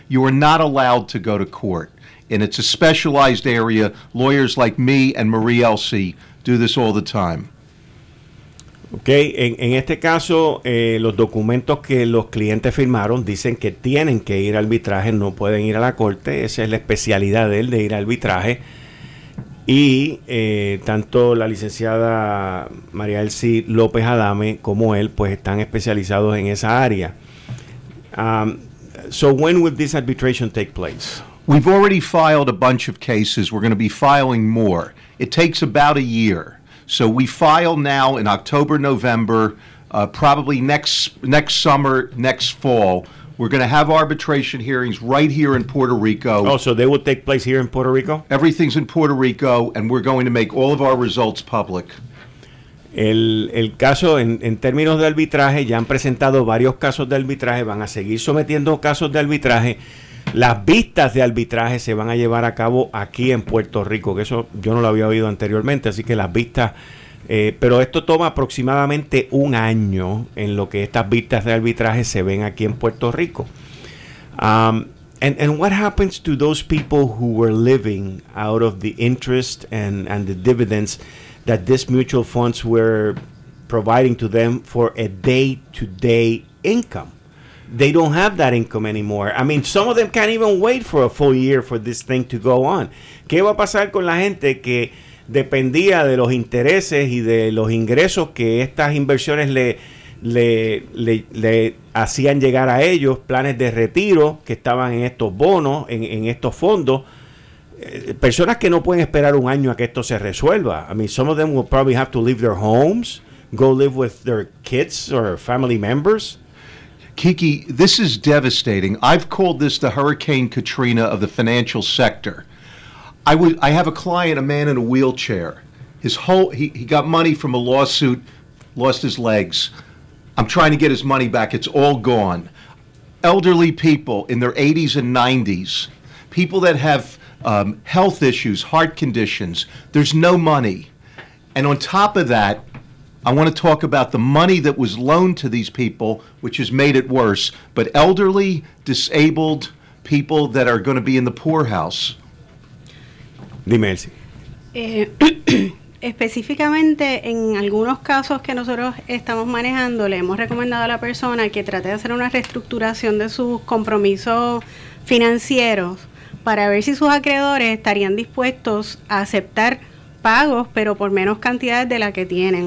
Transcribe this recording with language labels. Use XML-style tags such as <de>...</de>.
<en>You are not allowed to go to court. And it's a specialized area. Lawyers like me and Marie Elsie do this all the time.</en> <es>Okay, en este caso, los documentos que los clientes firmaron dicen que tienen que ir a arbitraje, no pueden ir a la corte. Esa es la especialidad de él, de ir a arbitraje. Y tanto la licenciada María Elsie López Adame como él, pues están especializados en esa área.</es> <en>So when will this arbitration take place? We've already filed a bunch of cases. We're going to be filing more. It takes about a year. So we file now in October, November, probably next summer, next fall. We're going to have arbitration hearings right here in Puerto Rico. Oh, so they will take place here in Puerto Rico? Everything's in Puerto Rico, and we're going to make all of our results public.</en> <es>El caso, en términos de arbitraje, ya han presentado varios casos de arbitraje, van a seguir sometiendo casos de arbitraje. Las vistas de arbitraje se van a llevar a cabo aquí en Puerto Rico, que eso yo no lo había oído anteriormente, así que las vistas, pero esto toma aproximadamente un año en lo que estas vistas de arbitraje se ven aquí en Puerto Rico.</es> <en>And what happens to those people who were living out of the interest and the dividends that these mutual funds were providing to them for a day-to-day income? They don't have that income anymore. I mean, some of them can't even wait for a full year for this thing to go on.</en> <es>¿Qué va a pasar con la gente que dependía de los intereses y de los ingresos que estas inversiones le hacían llegar a ellos, planes de retiro que estaban en estos bonos, en estos fondos? Personas que no pueden esperar un año a que esto se resuelva.</es> <en>I mean, some of them will probably have to leave their homes, go live with their kids or family members. Kiki, this is devastating. I've called this the Hurricane Katrina of the financial sector. I have a client, a man in a wheelchair. He got money from a lawsuit, lost his legs. I'm trying to get his money back. It's all gone. Elderly people in their 80s and 90s, people that have health issues, heart conditions, there's no money. And on top of that, I want to talk about the money that was loaned to these people, which has made it worse. But elderly, disabled people that are going to be in the poorhouse.</en> <es>Dime, Elsie. Específicamente, en algunos casos que nosotros estamos manejando, le hemos recomendado a la persona que trate de hacer una reestructuración de sus compromisos financieros para ver si sus acreedores estarían dispuestos a aceptar pagos, pero por menos cantidades de la que tienen.</es>